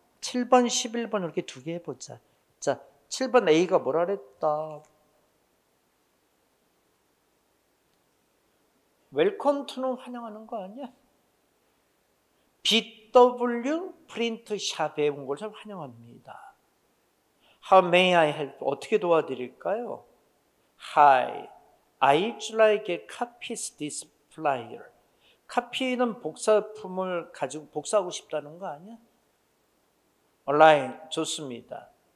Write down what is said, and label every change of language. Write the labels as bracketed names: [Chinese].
[Korean] 7번, 11번 이렇게 두 개 해보자. 자, 7번 A가 뭐라 그랬다? 웰컴 투는 환영하는 거 아니야? BW 프린트 샵에 온 걸 참 환영합니다. [English] How may I help? [Korean] 어떻게 도와드릴까요? [English] Hi, I'd like a copy of this flyer. [Korean] 카피는 복사품을 가지고 복사하고 싶다는 거 아니야? Online, 좋습니다.